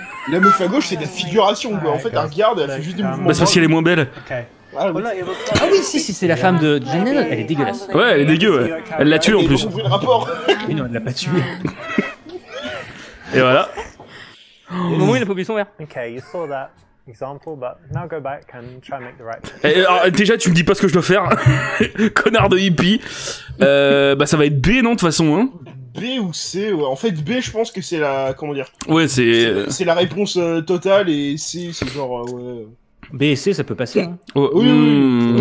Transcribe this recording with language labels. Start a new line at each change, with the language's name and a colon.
French: La meuf à gauche, c'est de la figuration, quoi. En fait, elle regarde, elle fait juste des mouvements. Bah, c'est parce qu'elle est moins belle. Ah oui, si, si, c'est la femme de Janelle, elle est dégueulasse. Ouais, elle est dégueu, ouais. Elle l'a tué en plus. Le rapport. Mais non, elle l'a pas tué. Et voilà. Au moment où il a pas oublié son verre.
English: Ok, you saw that. Example, but now go back and try to make the right.
French: Alors, déjà, tu me dis pas ce que je dois faire, connard de hippie. Bah, ça va être B, non, de toute façon. Hein. B ou C, ouais. En fait, B, je pense que c'est la. Comment dire? Ouais, c'est. C'est la réponse totale et C, c'est genre. Ouais. B et C, ça peut passer. Hein. Ouais. Oui, oui, oui.